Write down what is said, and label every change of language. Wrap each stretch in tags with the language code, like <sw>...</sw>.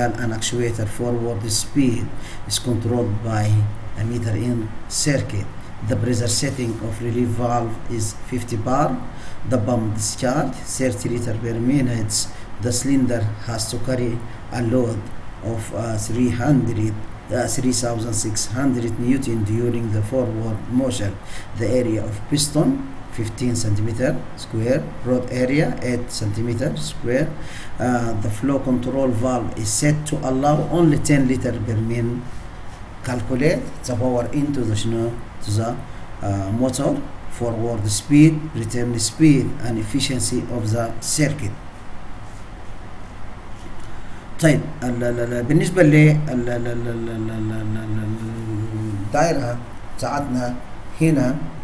<en>قال ان actuator forward speed is control by الميتر in circuit. The pressure setting of relief valve is 50 bar. The pump discharge 30 liter per minute. The cylinder has to carry a load of 3600 newton during the forward motion. The area of piston 15 centimeter square, rod area 8 centimeter square. The flow control valve is set to allow only 10 liter per minute. Calculate the power into the snow to the motor, forward speed, return speed and efficiency of the circuit.</en> <ar>طيب بالنسبة للدائرة بتاعتنا هنا</ar>